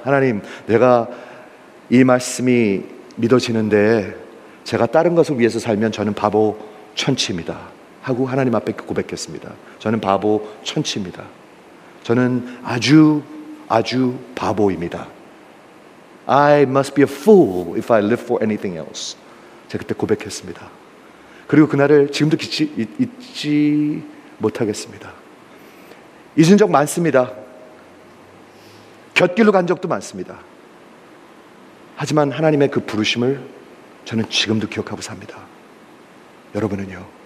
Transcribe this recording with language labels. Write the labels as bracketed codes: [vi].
[ko] 하나님, 내가 이 말씀이 믿어지는데 제가 다른 것을 위해서 살면 저는 바보 천치입니다 하고 하나님 앞에 고백했습니다. 저는 바보 천치입니다. 저는 아주 아주 바보입니다. [en] I must be a fool if I live for anything else. [ko] 제가 그때 고백했습니다. 그리고 그날을 지금도 잊지 못하겠습니다. 잊은 적 많습니다. 곁길로 간 적도 많습니다. 하지만 하나님의 그 부르심을 저는 지금도 기억하고 삽니다. 여러분은요?